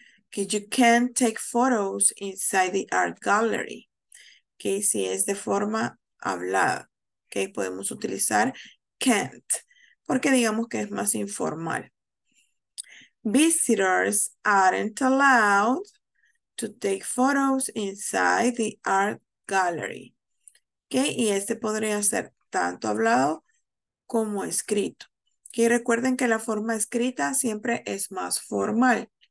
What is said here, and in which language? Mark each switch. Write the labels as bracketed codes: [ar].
[en] Que you can't take photos inside the art gallery. [es] Que si es de forma hablada. Que podemos utilizar can't, porque digamos que es más informal. [en] Visitors aren't allowed to take photos inside the art gallery. [es] Okay, y este podría ser tanto hablado como escrito. Okay, recuerden que la forma escrita siempre es más formal.